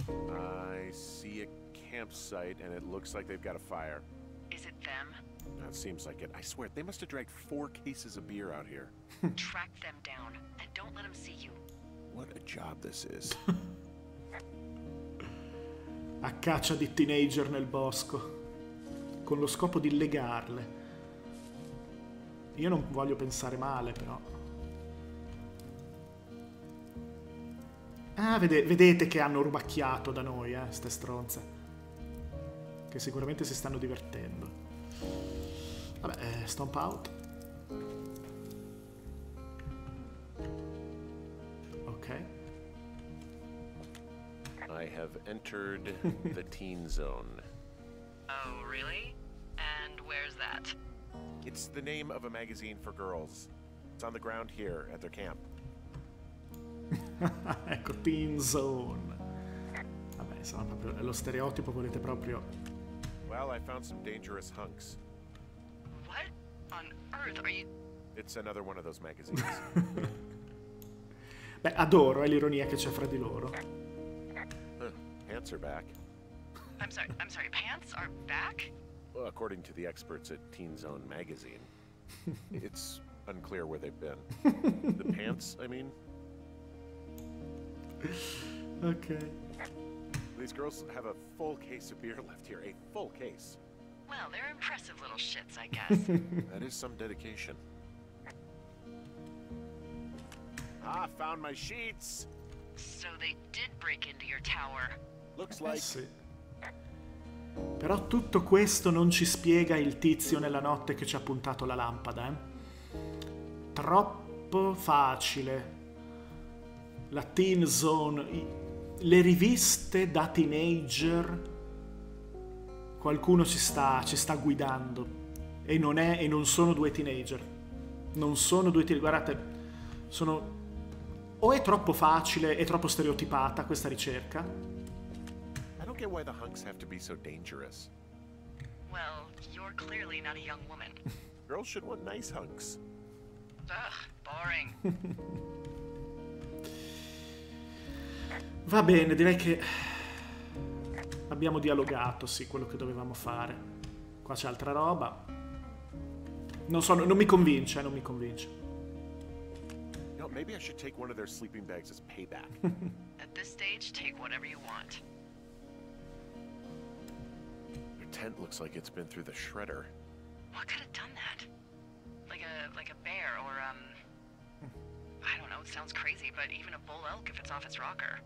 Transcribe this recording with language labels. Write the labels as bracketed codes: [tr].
[en] I see a campsite and it looks like they've got a fire. Is it them? That seems like it. I swear they must have dragged four cases of beer out here. Track them down and don't let them see you. What a job this is. [it] A caccia di teenager nel bosco. Con lo scopo di legarle. Io non voglio pensare male, però. Ah, vedete che hanno rubacchiato da noi, ste stronze. Che sicuramente si stanno divertendo. Vabbè, [en] stomp out. Ok. I have entered the teen zone. Oh, really? Where's that? It's the name of a magazine for girls. It's on the ground here at their camp. [it] Ecco, Teen Zone. Vabbè, sono proprio lo stereotipo, volete proprio. [en] Well, I found some dangerous hunks. What on earth are you? It's another one of those magazines. [it] Beh, adoro, l'ironia che c'è fra di loro. [en] Pants are back. I'm sorry, pants are back? According to the experts at Teen Zone magazine, it's unclear where they've been. The pants, I mean. Okay. These girls have a full case of beer left here, a full case. Well, they're impressive little shits, I guess. That is some dedication. Ah, found my sheets! So they did break into your tower. Looks like... [it] Però tutto questo non ci spiega il tizio nella notte che ci ha puntato la lampada, Troppo facile. La Teen Zone, le riviste da teenager, qualcuno ci sta guidando. E non sono due teenager. Non sono due teenager. Guardate, sono... O è troppo facile, è troppo stereotipata questa ricerca. [en] Why the hunks have to be so dangerous. Well, you're clearly not a young woman. Girls should want nice hunks. Ugh, boring. [it] Va bene, direi che abbiamo dialogato, sì, quello che dovevamo fare. Qua c'è altra roba. Non so, non mi convince, non mi convince. [en] No, maybe I should take one of their sleeping bags as payback. At this stage, take whatever you want. Your tent looks like it's been through the shredder. What could have done that? Like a bear or I don't know, it sounds crazy, but even a bull elk if it's off its rocker.